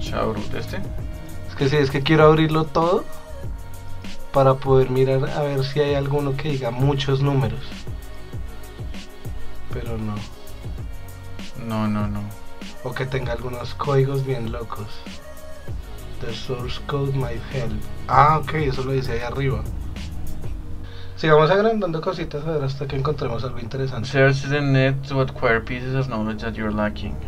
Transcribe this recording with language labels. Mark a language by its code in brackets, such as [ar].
[es] Shadow Root, este. Es que sí, es que quiero abrirlo todo para poder mirar a ver si hay alguno que diga muchos números. Pero no. No. o que tenga algunos códigos bien locos. [en] The source code might help. [es] Ah, ok, eso lo dice ahí arriba. Sigamos agrandando cositas a ver hasta que encontremos algo interesante. [en] Search the net to acquire pieces of knowledge that you're lacking.